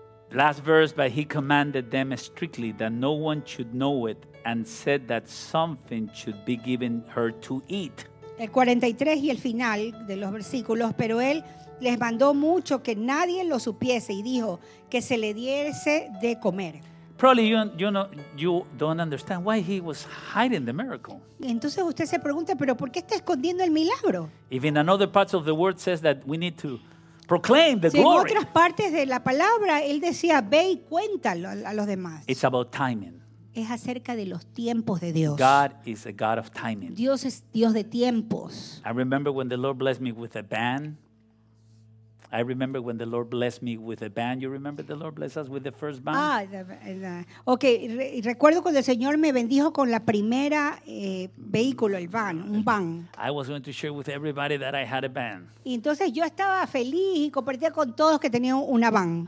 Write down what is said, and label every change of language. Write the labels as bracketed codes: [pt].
[en] Last verse, but he commanded them strictly that no one should know it and said that something should be given her to eat. [es] El 43 y el final de los versículos, pero él les mandó mucho que nadie lo supiese y dijo que se le diese de comer. [en] Probably you don't understand why he was hiding the miracle. [es] Entonces usted se pregunta, pero ¿por qué está escondiendo el milagro? [en] Even in other parts of the word says that we need to proclaim the glory. [es] Si en otras partes de la palabra él decía ve y cuéntalo a los demás. [en] It's about timing. [es] Es acerca de los tiempos de Dios. [en] God is a God of timing. [es] Dios es Dios de tiempos. [en] I remember when the Lord blessed me with a band. I remember when the Lord blessed me with a band. You remember the Lord blessed us with the first band? Ah, okay. [es] Recuerdo cuando el Señor me bendijo con la primera vehículo, el van, un van. [en] I was going to share with everybody that I had a band. [es] Y entonces yo estaba feliz y compartía con todos que tenía una van.